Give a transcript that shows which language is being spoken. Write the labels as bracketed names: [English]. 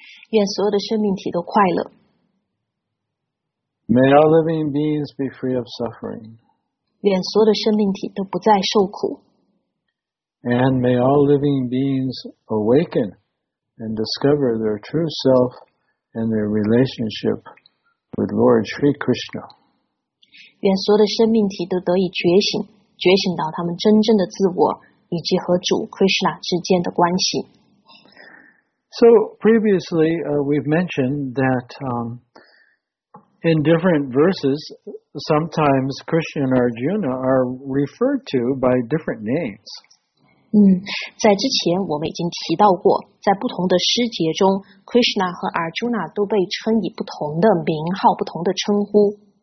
[Chinese] 愿所有的生命体都快乐。 [English] May all living beings be free of suffering. [Chinese] 愿所有的生命体都不再受苦。 [English] And may all living beings awaken and discover their true self. And their relationship with Lord Sri Krishna. [Chinese] 愿所有的生命体都得以觉醒，觉醒到他们真正的自我，以及和主 Krishna 之间的关系。 [English] So previously, we've mentioned that in different verses, sometimes Krishna and Arjuna are referred to by different names. [Chinese] 在之前我们已经提到过在不同的诗节中 Krishna 和 Arjuna 都被称以不同的名号不同的称呼